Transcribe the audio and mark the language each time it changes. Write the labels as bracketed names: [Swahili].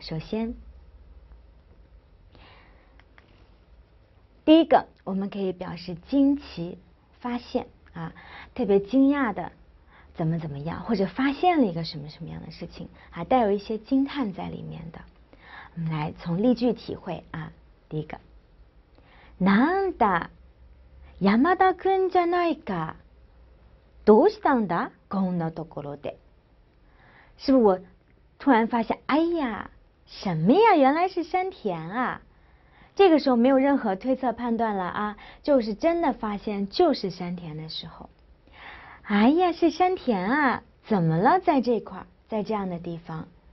[Chinese] 首先，第一个，我们可以表示惊奇、发现啊，特别惊讶的，怎么怎么样，或者发现了一个什么什么样的事情啊，带有一些惊叹在里面的。我们来从例句体会啊，第一个， [Japanese] なんだ、山田君じゃないか。どうしたんだ、こんなところで。 [Chinese] 是不是我突然发现，哎呀，什么呀，原来是山田啊。这个时候没有任何推测判断了啊，就是真的发现就是山田的时候。哎呀，是山田啊，怎么了，在这块，在这样的地方。